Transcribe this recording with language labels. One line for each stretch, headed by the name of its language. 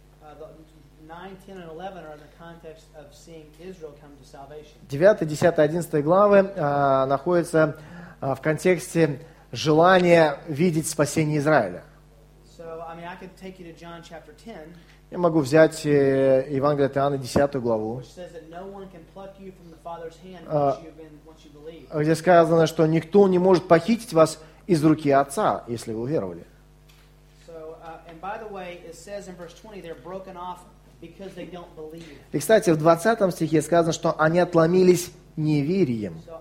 English: 9, 10, and 11 are in the context of seeing Israel come to salvation.
Russian: 9, 10, 11 главы находятся в контексте желания видеть спасение Израиля.
English: So, I mean, I could take you to John chapter 10.
Russian: Я могу взять Евангелие от Иоанна 10 главу, где сказано, что никто не может похитить вас из руки Отца, если вы уверовали.
English: So, and by the way, it says in verse 20, they're broken off because they don't believe.
Russian: И, кстати, в 20 стихе сказано, что они отломились неверием.